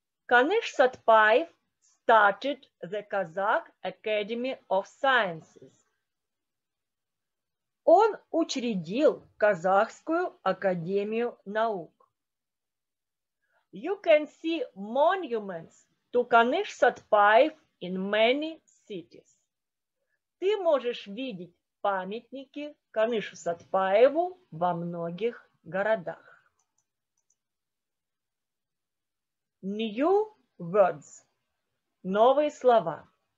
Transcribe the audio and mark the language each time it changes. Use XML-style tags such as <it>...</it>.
<en>Ганеш Сатпаев started the Kazakh Academy of Sciences.</en> <ru>Он учредил Казахскую академию наук.</ru> <en>You can see monuments to Ganesh Satpaev in many cities.</en> <ru>Ты можешь видеть памятники Ганешу Сатпаеву во многих городах.</ru> <en>New words.</en> <ru>Новые слова.</ru>